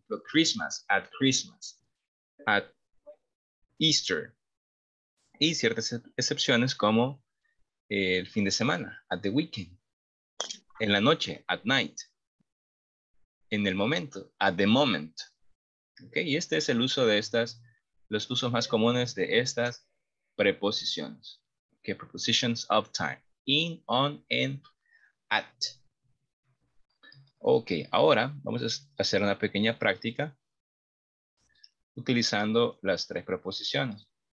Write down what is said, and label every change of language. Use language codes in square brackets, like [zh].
[en] Christmas, at Easter, [es] y ciertas excepciones como el fin de semana, [en] at the weekend, [es] en la noche, [en] at night, [es] en el momento, [en] at the moment. [es] Okay, y este es el uso de estas, los usos más comunes de estas preposiciones. [en] Okay, prepositions of time, in, on, and at. [es] Ok, ahora vamos a hacer una pequeña práctica utilizando las tres preposiciones.